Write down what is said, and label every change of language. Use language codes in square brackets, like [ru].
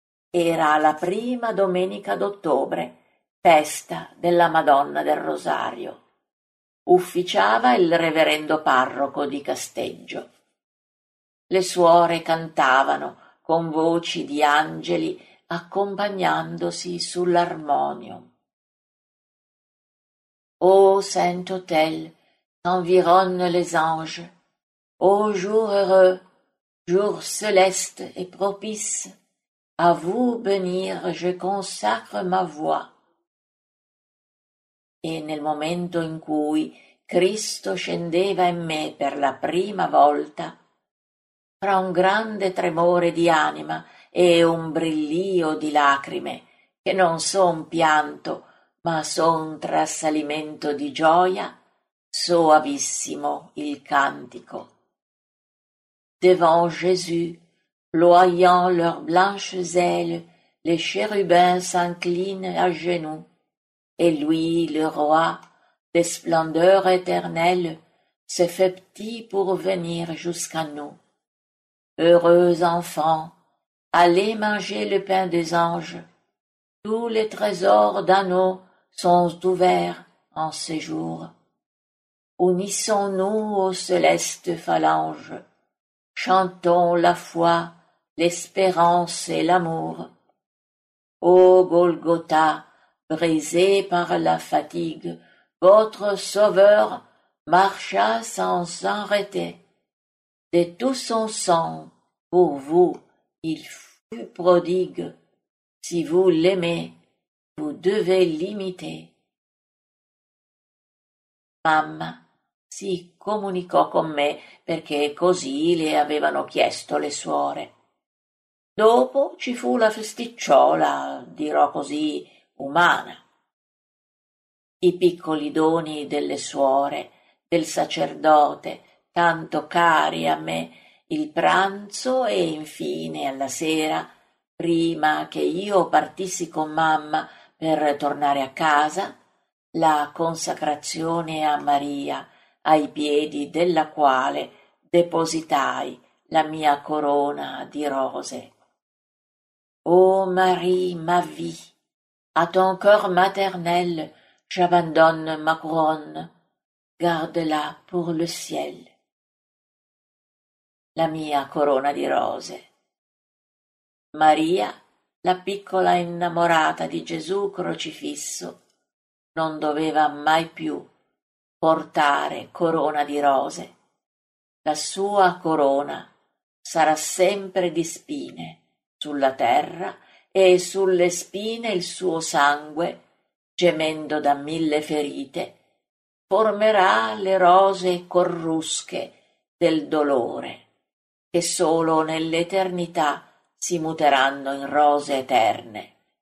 [it] Era la prima domenica d'ottobre, festa della Madonna del Rosario. Ufficiava il reverendo parroco di Casteggio. Le suore cantavano con voci di angeli accompagnandosi sull'armonium. [fr] Ô saint hôtel, qu'environnent les anges, ô jour heureux, jour céleste et propice, à vous bénir je consacre ma voix. [it] E nel momento in cui Cristo scendeva in me per la prima volta, fra un grande tremore di anima e un brillio di lacrime, che non son pianto, ma son trasalimento di gioia, soavissimo il cantico. [fr] Devant Jésus, ployant leurs blanches ailes, les chérubins s'inclinent à genoux, et lui, le roi, des splendeurs éternelles, se fait petit pour venir jusqu'à nous. Heureux enfants, allez manger le pain des anges. Tous les trésors d'anneaux sont ouverts en ce jour. Unissons-nous aux célestes phalanges. Chantons la foi, l'espérance et l'amour. Ô Golgotha, brisé par la fatigue, votre sauveur marcha sans s'arrêter. De tout son sang, pour vous, il fut prodigue. Si vous l'aimez, vous devez l'imiter. [it] Mamma si comunicò con me perché così le avevano chiesto le suore. Dopo ci fu la festicciola, dirò così, umana. I piccoli doni delle suore, del sacerdote, tanto cari a me il pranzo e infine alla sera, prima che io partissi con mamma per tornare a casa, la consacrazione a Maria, ai piedi della quale depositai la mia corona di rose. [fr] Ô Marie, ma vie, à ton cœur maternel, j'abandonne ma couronne, garde-la pour le ciel. [it] La mia corona di rose. Maria, la piccola innamorata di Gesù crocifisso, non doveva mai più portare corona di rose. La sua corona sarà sempre di spine sulla terra e sulle spine il suo sangue, gemendo da mille ferite, formerà le rose corrusche del dolore, che solo nell'eternità si muteranno in rose eterne.